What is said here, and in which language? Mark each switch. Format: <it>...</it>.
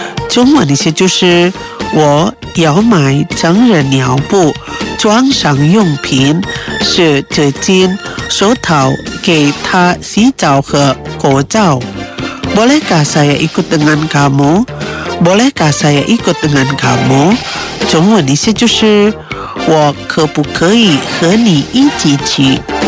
<zh>中文的意思就是 我要买成人尿布 装上用品 是纸巾 手套给他洗澡和口罩</zh> <id>Bolehkah saya ikut dengan kamu? Bolehkah saya ikut dengan kamu?</id> <zh>中文的意思就是 我可不可以和你一起去?</zh>